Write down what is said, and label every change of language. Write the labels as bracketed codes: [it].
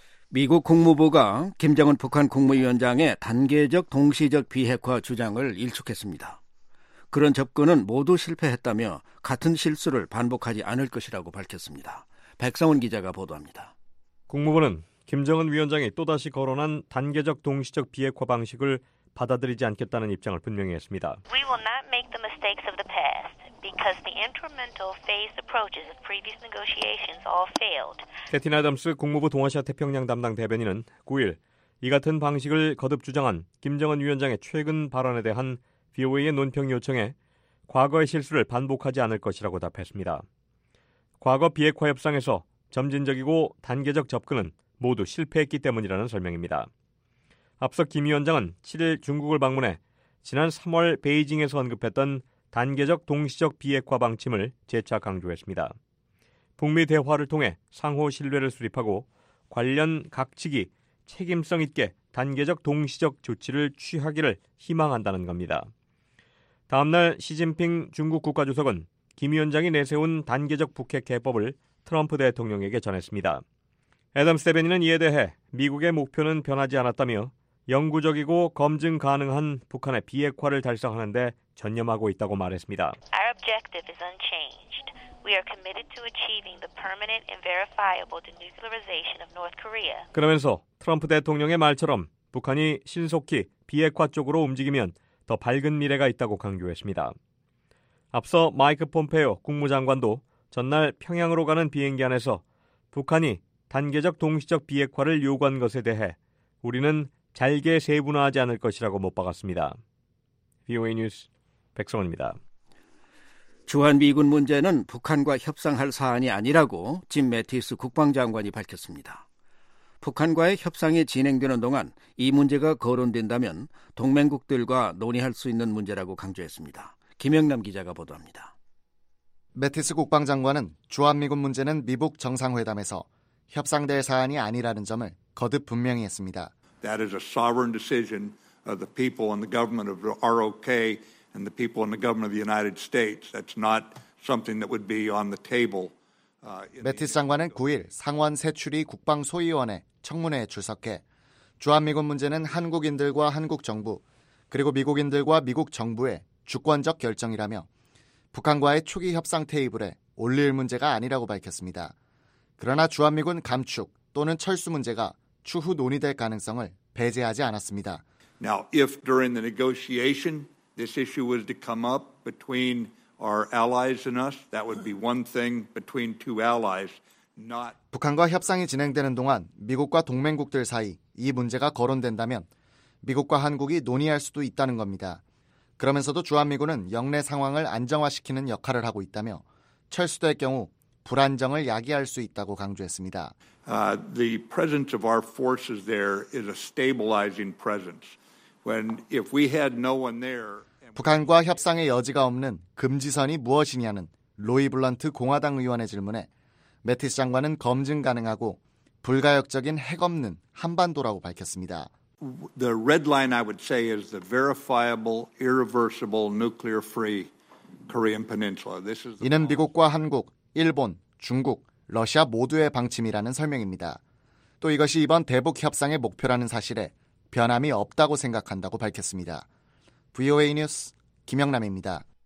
[ko] 미국 국무부가 김정은 북한 국무위원장의 단계적 동시적 비핵화 주장을 일축했습니다. 그런 접근은 모두 실패했다며 같은 실수를 반복하지 않을 것이라고 밝혔습니다. 백성훈 기자가 보도합니다. 국무부는 김정은 위원장이 또다시 거론한 단계적 동시적 비핵화 방식을 받아들이지 않겠다는 입장을 분명히 했습니다. [en] We will not make the mistakes of the past because the incremental phase approaches of previous negotiations all failed. [ko] 캐티 애덤스 국무부 동아시아 태평양 담당 대변인은 9일 이 같은 방식을 거듭 주장한 김정은 위원장의 최근 발언에 대한 BOA의 논평 요청에 과거의 실수를 반복하지 않을 것이라고 답했습니다. 과거 비핵화 협상에서 점진적이고 단계적 접근은 모두 실패했기 때문이라는 설명입니다. 앞서 김 위원장은 7일 중국을 방문해 지난 3월 베이징에서 언급했던 단계적 동시적 비핵화 방침을 재차 강조했습니다. 북미 대화를 통해 상호 신뢰를 수립하고 관련 각 측이 책임성 있게 단계적 동시적 조치를 취하기를 희망한다는 겁니다. 다음 날 시진핑 중국 국가주석은 김 위원장이 내세운 단계적 북핵 해법을 트럼프 대통령에게 전했습니다. 애덤스 대변인은 이에 대해 미국의 목표는 변하지 않았다며 영구적이고 검증 가능한 북한의 비핵화를 달성하는 데 전념하고 있다고 말했습니다. [en] Our objective is unchanged. We are committed to achieving the permanent and verifiable denuclearization of North Korea. [ko] 그러면서 트럼프 대통령의 말처럼 북한이 신속히 비핵화 쪽으로 움직이면 더 밝은 미래가 있다고 강조했습니다. 앞서 마이크 폼페이오 국무장관도 전날 평양으로 가는 비행기 안에서 북한이 단계적 동시적 비핵화를 요구한 것에 대해 우리는 잘게 세분화하지 않을 것이라고 못 박았습니다. BOA 뉴스 백성원입니다. 주한미군 문제는 북한과 협상할 사안이 아니라고 짐 매티스 국방장관이 밝혔습니다. 북한과의 협상이 진행되는 동안 이 문제가 거론된다면 동맹국들과 논의할 수 있는 문제라고 강조했습니다. 김영남 기자가 보도합니다. 매티스 국방장관은 주한미군 문제는 미북 정상회담에서 협상될 사안이 아니라는 점을 거듭 분명히 했습니다. [en] That is a sovereign decision of the people and the government of ROK and the people and the government of the United States. That's not something that would be on the table. [ko] 매티스 장관은 9일 상원 세출이 국방 소위원회 청문회에 출석해 주한미군 문제는 한국인들과 한국 정부 그리고 미국인들과 미국 정부의 주권적 결정이라며 북한과의 초기 협상 테이블에 올릴 문제가 아니라고 밝혔습니다. 그러나 주한미군 감축 또는 철수 문제가 추후 논의될 가능성을 배제하지 않았습니다. [en] Now, if during the negotiation this issue was to come up between our allies and us, that would be one thing between two allies, not [ko] 북한과 협상이 진행되는 동안 미국과 동맹국들 사이 이 문제가 거론된다면 미국과 한국이 논의할 수도 있다는 겁니다. 그러면서도 주한미군은 영내 상황을 안정화시키는 역할을 하고 있다며 철수될 경우 불안정을 야기할 수 있다고 강조했습니다. [en] The presence of our forces there is a stabilizing presence. When if we had no one there, [ko] 북한과 협상의 여지가 없는 금지선이 무엇이냐는 로이 블런트 공화당 의원의 질문에 매티스 장관은 검증 가능하고 불가역적인 핵 없는 한반도라고 밝혔습니다. [en] The red line I would say is the verifiable, irreversible, nuclear-free Korean Peninsula. This is [ko] 이는 미국과 한국, 일본, 중국, 러시아 모두의 방침이라는 설명입니다. 또 이것이 이번 대북 협상의 목표라는 사실에 변함이 없다고 생각한다고 밝혔습니다. VOA 뉴스 김영남입니다.